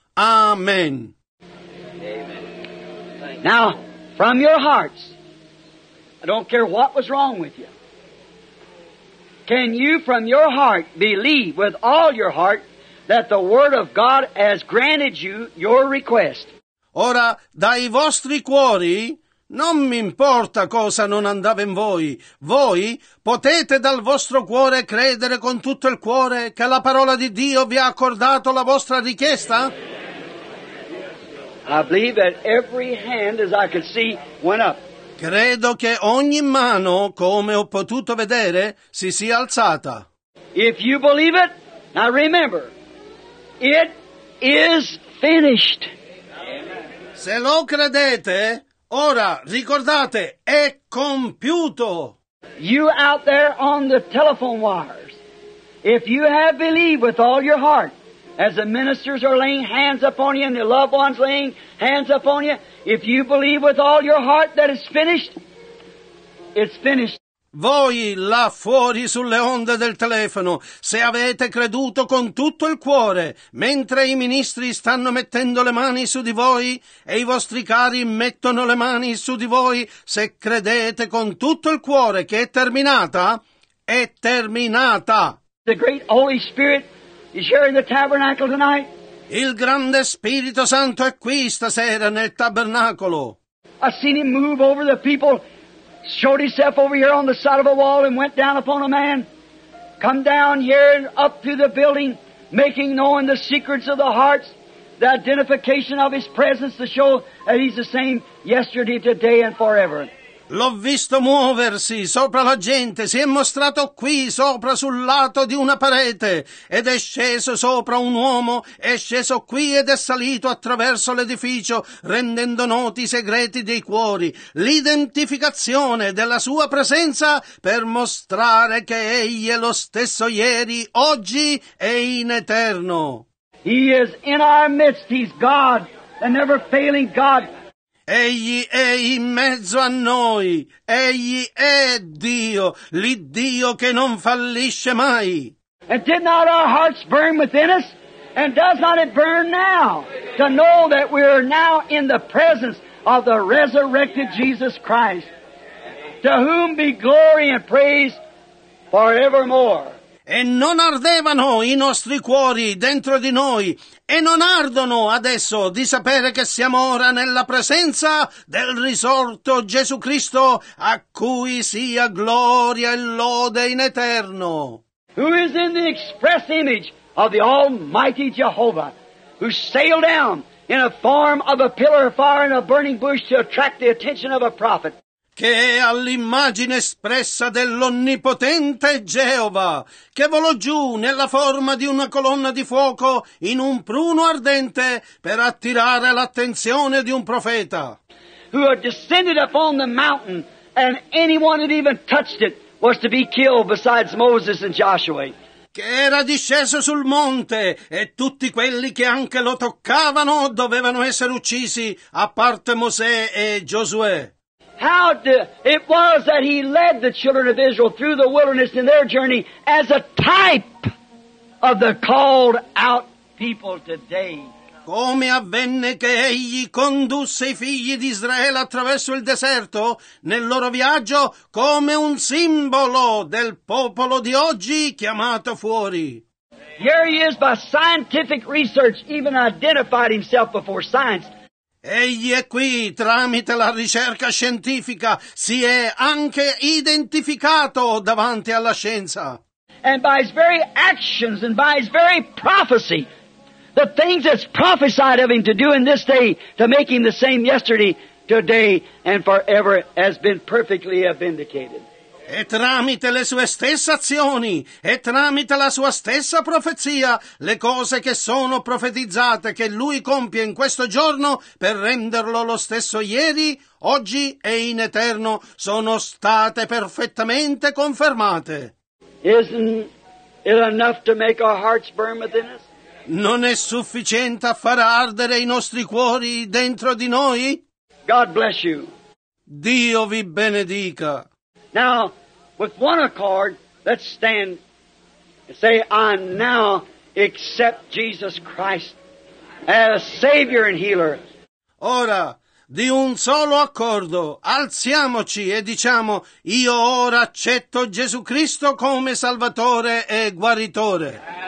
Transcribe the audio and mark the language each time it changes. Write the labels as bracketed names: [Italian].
[English] Amen. Now, from your hearts, I don't care what was wrong with you, can you from your heart believe with all your heart that the Word of God has granted you your request? [Italian] Ora, dai vostri cuori, non mi importa cosa non andava in voi, voi potete dal vostro cuore credere con tutto il cuore che la parola di Dio vi ha accordato la vostra richiesta? [English] I believe that every hand, as I could see, went up. [Italian] Credo che ogni mano, come ho potuto vedere, si sia alzata. [English] If you believe it, now remember, it is finished. [Italian] Se lo credete, ora ricordate, è compiuto. [English] You out there on the telephone wires, if you have believed with all your heart, as the ministers are laying hands upon you and the loved ones laying hands upon you, if you believe with all your heart that it's finished, it's finished. [Italian] Voi là fuori sulle onde del telefono, se avete creduto con tutto il cuore, mentre i ministri stanno mettendo le mani su di voi e i vostri cari mettono le mani su di voi, se credete con tutto il cuore che è terminata. [English] The great Holy Spirit is here in the tabernacle tonight. [Italian] Il grande Spirito Santo è qui stasera nel tabernacolo. [English] I seen him move over the people. Showed himself over here on the side of a wall and went down upon a man. Come down here up to the building, making known the secrets of the hearts, the identification of his presence to show that he's the same yesterday, today and forever. [Italian] L'ho visto muoversi sopra la gente, si è mostrato qui sopra sul lato di una parete ed è sceso sopra un uomo, è sceso qui ed è salito attraverso l'edificio rendendo noti i segreti dei cuori, l'identificazione della sua presenza per mostrare che egli è lo stesso ieri, oggi e in eterno. [English] He is in our midst, he's God, the never failing God. [Italian] Egli è in mezzo a noi, egli è Dio, l'Iddio che non fallisce mai. [English] And did not our hearts burn within us? And does not it burn now to know that we are now in the presence of the resurrected Jesus Christ, to whom be glory and praise forevermore. [Italian] E non ardevano i nostri cuori dentro di noi, e non ardono adesso di sapere che siamo ora nella presenza del risorto Gesù Cristo, a cui sia gloria e lode in eterno. [English] Who is in the express image of the Almighty Jehovah, who sailed down in a form of a pillar of fire and a burning bush to attract the attention of a prophet. [Italian] Che è all'immagine espressa dell'Onnipotente Geova, che volò giù nella forma di una colonna di fuoco in un pruno ardente per attirare l'attenzione di un profeta. [English] Who had descended upon the mountain, and anyone that even touched it was to be killed besides Moses and Joshua. [Italian] Che era disceso sul monte e tutti quelli che anche lo toccavano dovevano essere uccisi, a parte Mosè e Giosuè. [English] How it was that he led the children of Israel through the wilderness in their journey as a type of the called out people today. [Italian] Come avvenne che egli condusse i figli di Israele attraverso il deserto nel loro viaggio come un simbolo del popolo di oggi chiamato fuori. [English] Here he is by scientific research, even identified himself before science. [Italian] Egli è qui tramite la ricerca scientifica, si è anche identificato davanti alla scienza. [English] And by his very actions and by his very prophecy, the things that's prophesied of him to do in this day, to make him the same yesterday, today and forever, has been perfectly vindicated. [Italian] E tramite le sue stesse azioni, e tramite la sua stessa profezia, le cose che sono profetizzate, che lui compie in questo giorno, per renderlo lo stesso ieri, oggi e in eterno, sono state perfettamente confermate. [English] Isn't it enough to make our hearts burn within us? [Italian] Non è sufficiente a far ardere i nostri cuori dentro di noi? [English] God bless you. [Italian] Dio vi benedica. [English] Now, with one accord, let's stand and say, I now accept Jesus Christ as Savior and Healer. [Italian] Ora, di un solo accordo, alziamoci e diciamo, io ora accetto Gesù Cristo come Salvatore e Guaritore.